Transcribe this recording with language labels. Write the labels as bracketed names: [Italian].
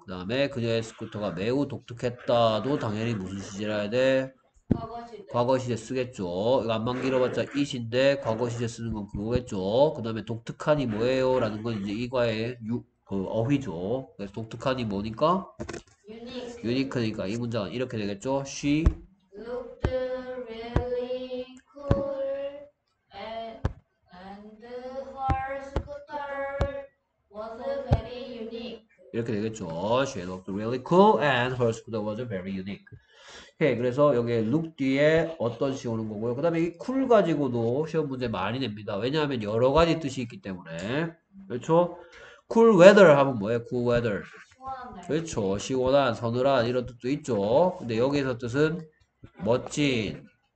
[Korean] 그 다음에 그녀의 스쿠터가 매우 독특했다도 당연히 무슨 시제라 해야 돼? 과거 시제 쓰겠죠. 이거 안만 길어봤자 이신데 과거 시제 쓰는 건 그거겠죠. 그 다음에 독특하니 뭐예요? 라는 건 이제 이과의 어휘죠. 그래서 독특하니 뭐니까? 유니크니까 이 문장은 이렇게 되겠죠. [English] She looked really cool and her scooter was very unique. [Korean] 이렇게 되겠죠. [English] She looked really cool and her scooter was very unique. [Korean] 오케이, 그래서 여기에 look 뒤에 어떤 시 오는 거고요. 그 다음에 이 cool 가지고도 시험 문제 많이 냅니다. 왜냐하면 여러 가지 뜻이 있기 때문에. 그렇죠? cool weather 하면 뭐예요? cool weather. 그렇죠. 시원한, 서늘한 이런 뜻도 있죠. 근데 여기에서 뜻은 멋진.